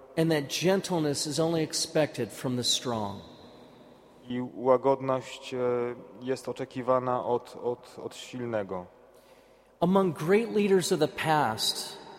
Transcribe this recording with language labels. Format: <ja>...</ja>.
<en>and that gentleness is only expected from the strong.</en> <pl>I łagodność jest oczekiwana od silnego.</pl> <en>Among great leaders of the past,</en>